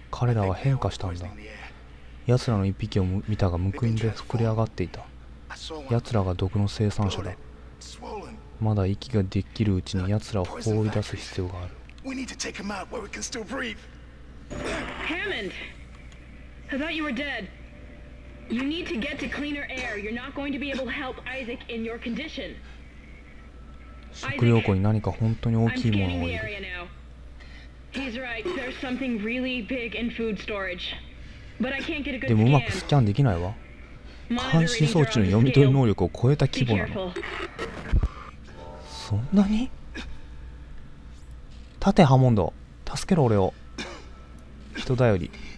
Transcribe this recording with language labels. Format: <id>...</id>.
<ja>彼らは変化したんだ。奴らの一匹を見たが、むくんで膨れ上がっていた。奴らが毒の生産者だ。まだ息ができるうちに奴らを放り出す必要がある。</ja> <en>We need to take him out where we can still breathe. Hammond! I thought you were dead. You need to get to cleaner air. You're not going to be able to help Isaac in your condition.</en> <ja>食料庫に何か本当に大きいものがいる。</ja> <en>He's right. There's something really big in food storage. But I can't get a good scan.</en> <ja>でもうまくスキャンできないわ。監視装置の読み取り能力を超えた規模なの。そんなに？立てハモンド、助けろ俺を。人頼り。</ja>